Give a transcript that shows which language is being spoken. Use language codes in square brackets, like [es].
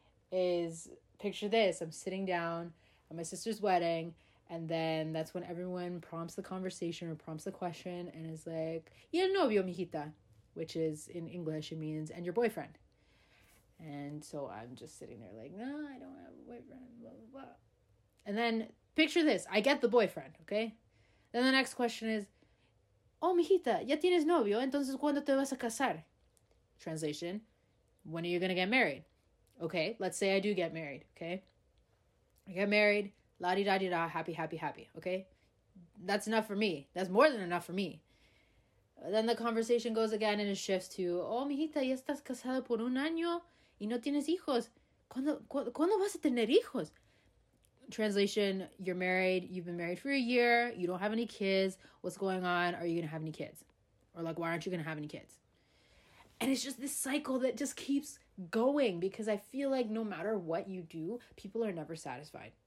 [en] Is picture this, I'm sitting down at my sister's wedding, and then that's when everyone prompts the conversation or prompts the question and is like, [es] ¿Y el novio, mijita? [en] Which is in English, it means, and your boyfriend. And so I'm just sitting there like, no, I don't have a boyfriend, blah, blah, blah. And then picture this, I get the boyfriend, okay? Then the next question is, oh, [es] mijita, ya tienes novio, entonces ¿cuándo te vas a casar? [en] Translation, when are you going to get married? Okay, let's say I do get married, okay? I get married, la-di-da-di-da, happy, happy, happy, okay? That's enough for me. That's more than enough for me. Then the conversation goes again and it shifts to, oh, [es] mijita, ya estás casada por un año y no tienes hijos. ¿Cuándo vas a tener hijos? [en] Translation, you're married, you've been married for a year, you don't have any kids, what's going on, are you gonna have any kids, or like, why aren't you gonna have any kids? And it's just this cycle that just keeps going, because I feel like no matter what you do, people are never satisfied.